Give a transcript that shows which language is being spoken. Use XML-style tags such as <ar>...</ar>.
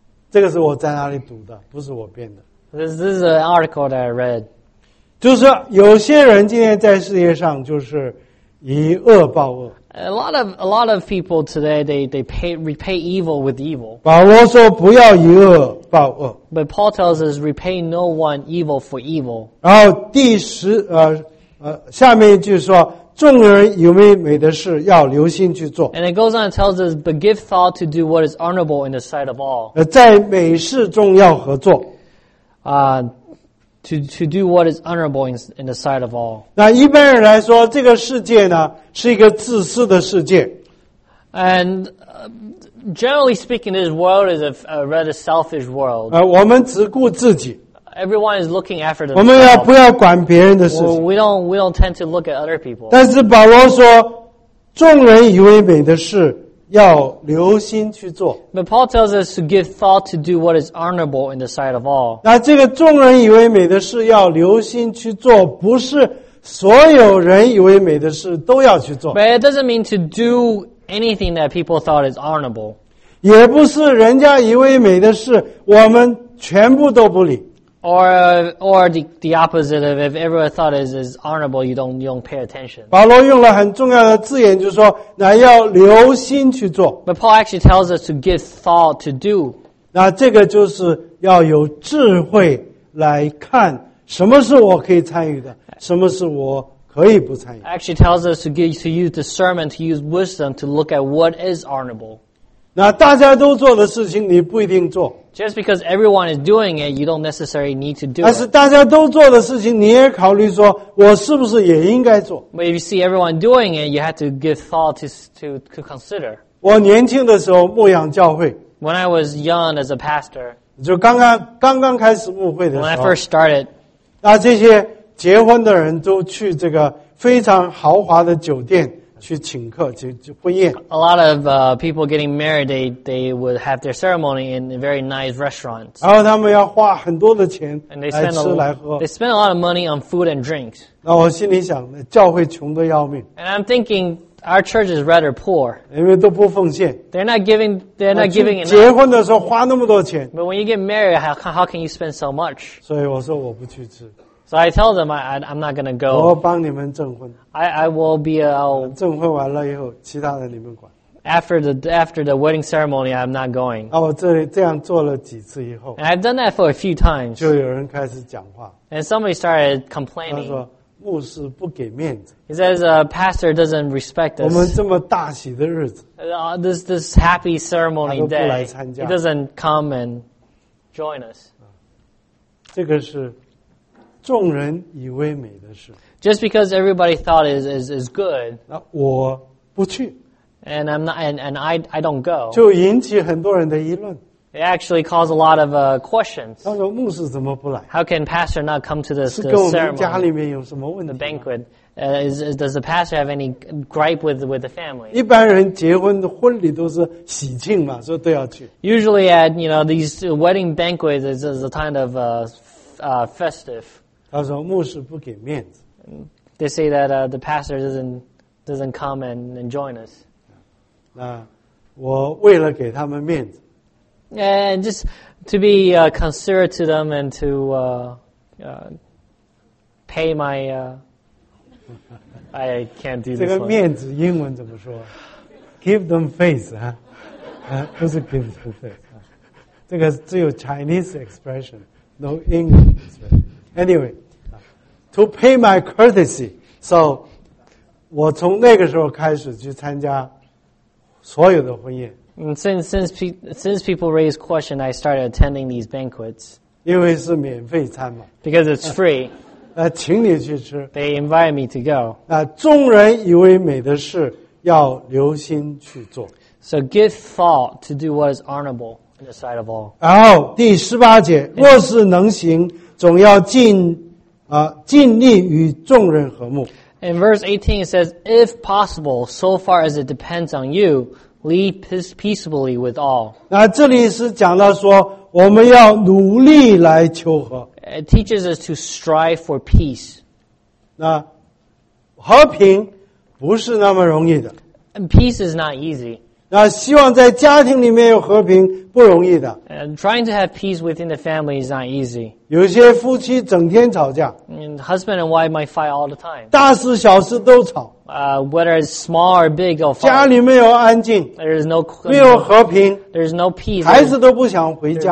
<zh>这个是我在哪里读的，不是我编的。</zh> <en>This is an article that I read.</en> <zh>就是有些人今天在世界上就是以恶报恶。</zh> <en>A lot of people today they repay evil with evil.</en> <zh>保罗说不要以恶报恶。</zh> <en>But Paul tells us repay no one evil for evil.</en> <zh>然后第十下面一句说众人有没有美的事要留心去做。</zh> <en>And it goes on and tells us but give thought to do what is honorable in the sight of all.</en> <zh>在美事中要合作。</zh> <en>To do what is honorable in the sight of all.</en> <zh>那一般人来说，这个世界呢是一个自私的世界。</zh> <en>And generally speaking, this world is a rather selfish world.</en> <zh>我们只顾自己。</zh> <en>Everyone is looking after themselves.</en> <zh>我们要不要管别人的事情</zh> <en>？We don't tend to look at other people.</en> <zh>但是保罗说，众人以为美的事要留心去做。</zh> <en>But Paul tells us to give thought to do what is honorable in the sight of all.</en> <zh>那这个众人以为美的事要留心去做，不是所有人以为美的事都要去做。</zh> <en>But it doesn't mean to do anything that people thought is honorable.</en> <zh>也不是人家以为美的事，我们全部都不理。</zh> <en>Or the opposite of if everyone thought is honorable, you don't pay attention.</en> <zh>保罗用了很重要的字眼，就是说，那要留心去做。</zh> <en>But Paul actually tells us to give thought to do.</en> <zh>那这个就是要有智慧来看什么是我可以参与的，什么是我可以不参与。</zh> <en>Actually tells us to use discernment, to use wisdom, to look at what is honorable.</en> <zh>那大家都做的事情，你不一定做。</zh> <en>Just because everyone is doing it, you don't necessarily need to do it.</en> <zh>但是大家都做的事情，你也考虑说，我是不是也应该做</zh> <en>？But if you see everyone doing it, you have to give thought to consider.</en> <zh>我年轻的时候牧养教会。</zh> <en>When I was young as a pastor.</en> <zh>就刚刚开始牧会的时候。</zh> <en>When I first started.</en> <zh>那这些结婚的人都去这个非常豪华的酒店。去请客去婚宴。</zh> <en>A lot of people getting married, they would have their ceremony in a very nice restaurant.</en> <zh>然后他们要花很多的钱来吃来喝。</zh> <en>They spend a lot of money on food and drinks.</en> <zh>那我心里想，教会穷得要命。</zh> <en>And I'm thinking our church is rather poor.</en> <zh>因为都不奉献。</zh> <en>They're not giving.</en> <zh>结婚的时候花那么多钱。</zh> <en>But when you get married, how can you spend so much?</en> <zh>所以我说我不去吃。</zh> <en>So I tell them I'm not going to go.</en> <zh>我帮你们证婚。</zh> <en>I will be a.</en> <zh>证婚完了以后，其他的你们管。</zh> <en>After the wedding ceremony, I'm not going.</en> <zh>啊，我这样做了几次以后。</zh> <en>And I've done that for a few times.</en> <zh>就有人开始讲话。</zh> <en>And somebody started complaining.</en> <zh>他说：“ 牧师不给面子。</zh> <en>He says, pastor doesn't respect us.</en> <zh>我们这么大喜的日子。</zh> <en>This happy ceremony day.</en> <zh>他都不来参加。</zh> <en>He doesn't come and join us.</en> <zh>这个是众人以为美的事。</zh> <en>Just because everybody thought is good.</en> <zh>那我不去。</zh> <en>And I'm not, and I don't go.</en> <zh>就引起很多人的议论。</zh> <en>It actually caused a lot of questions.</en> <zh>他说牧师怎么不来?</zh> <en>How can pastor not come to this ceremony?</en> <zh>是跟我们家里面有什么问题吗?</zh> <en>The banquet. Does the pastor have any gripe with the family?</en> <zh>一般人结婚的婚礼都是喜庆嘛，所以都要去。</zh> <en>Usually at, you know, these wedding banquets is a kind of festive.</en> <zh>他说牧师不给面子。</zh> <en>They say that the pastor doesn't come and join us.</en> <zh>那我为了给他们面子。</zh> <en>And just to be considerate to them and to pay my I can't do this.</en> <zh>这个面子英文怎么说 ？</zh> <en>Give them face</en> <zh>啊，不是</zh> <en>give them face</en> <zh>啊，这个只有</zh> <en>Chinese expression, no English expression. Anyway, to pay my courtesy.</en> <zh>So 我从那个时候开始去参加所有的婚宴。</zh> <en>And since people raised question, I started attending these banquets.</en> <zh>因为是免费餐嘛。</zh> <en>Because it's free.</en> <zh>请你去吃。</zh> <en>They invite me to go.</en> <zh>众人以为美的事要留心去做。</zh> <en>So give thought to do what is honorable in the sight of all.</en> <zh>然后第十八节，若是能行，总要尽力与众人和睦。</zh> <en>In verse 18, it says, "If possible, so far as it depends on you." Lead peaceably with all.</en> <zh>那这里是讲到说，我们要努力来求和。</zh> <en>It teaches us to strive for peace.</en> <zh>那和平不是那么容易的。</zh> <en>And peace is not easy.</en> <zh>那希望在家庭里面有和平不容易的。</zh> <en>And trying to have peace within the family is not easy.</en> <zh>有些夫妻整天吵架。</zh> <en>And husband and wife might fight all the time.</en> <zh>大事小事都吵。</zh> <en>Whether it's small or big, or</en> <zh>far, 家里没有安静,</zh> <en>there is no,</en> <zh>没有和平,</zh> <en>there is no peace,</en> <zh>孩子都不想回家,</zh>